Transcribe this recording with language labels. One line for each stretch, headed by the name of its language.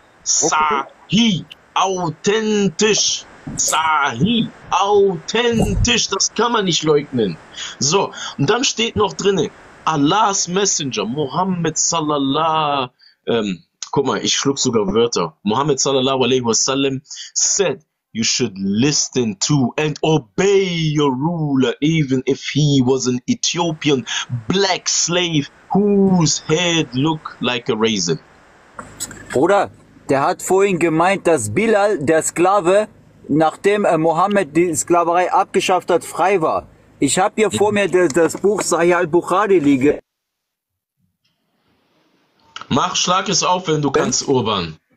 German: Sahi. Authentisch. Sahi. Authentisch. Das kann man nicht leugnen. So, und dann steht noch drinnen,
English: Allahs Messenger,
German: Mohammed Sallallahu, guck mal, ich schluck sogar Wörter.
English: Mohammed Sallallahu Alaihi Wasallam said, you should listen to and obey your ruler, even if he was an Ethiopian black slave whose head looked like a raisin.
German: Bruder, der hat vorhin gemeint, dass Bilal, der Sklave, nachdem Mohammed die Sklaverei abgeschafft hat, frei war. Ich habe hier vor mir das Buch Sahih al-Bukhari liegen. Mach, schlag es auf, wenn du kannst, Urban.